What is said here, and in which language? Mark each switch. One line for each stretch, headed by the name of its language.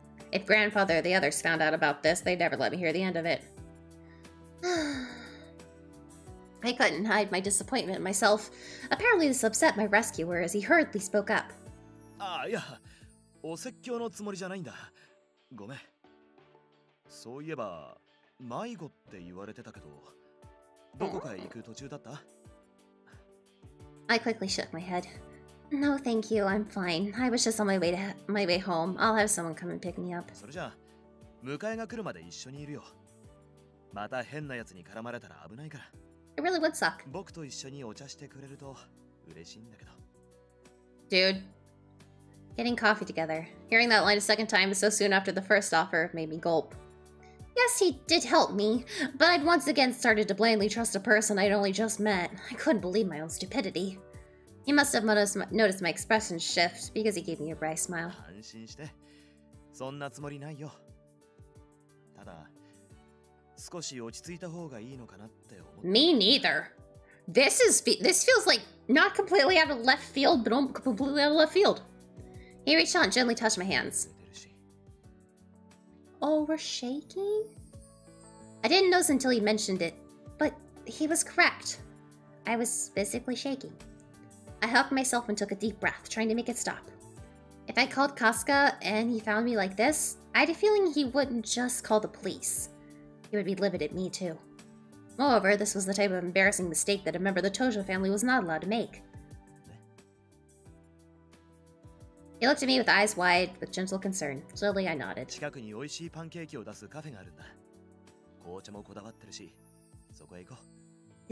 English: If Grandfather or the others found out about this, they'd never let me hear the end of it. I couldn't hide my disappointment in myself. Apparently this upset my rescuer as he hurriedly spoke up. Ah, yeah.
Japanese: お説教のつもりじゃないんだ。ごめん。そういえば、迷子って言われてたけど、どこかへ行く途中だった？
English: I quickly shook my head. No, thank you. I'm fine. I was just on my way home. I'll have someone come and pick me up.
Japanese: それじゃあ、迎えが来るまで一緒にいるよ。また変な奴に絡まれたら危ないから。
English: It really would suck.
Japanese: 僕と一緒にお茶してくれると嬉しいんだけど。
English: Dude. Getting coffee together. Hearing that line a second time so soon after the first offer made me gulp. Yes, he did help me, but I'd once again started to blindly trust a person I'd only just met. I couldn't believe my own stupidity. He must have noticed my expression shift because he gave me a wry smile.
Japanese: 安心して。そんなつもりないよ。ただ、少し落ち着いた方がいいのかなって思って。
English: Me neither. This feels like not completely out of left field, but completely out of left field. He reached out and gently touched my hands. Oh, we're shaking? I didn't notice until he mentioned it, but he was correct. I was physically shaking. I hugged myself and took a deep breath, trying to make it stop. If I called Casca and he found me like this, I had a feeling he wouldn't just call the police. He would be livid at me too. Moreover, this was the type of embarrassing mistake that a member of the Tojo family was not allowed to make. He looked at me with eyes wide, with gentle concern. Slowly, I nodded.
Japanese: 近くに美味しいパンケーキを出すカフェがあるんだ。紅茶もこだわってるし、そこへ行こう。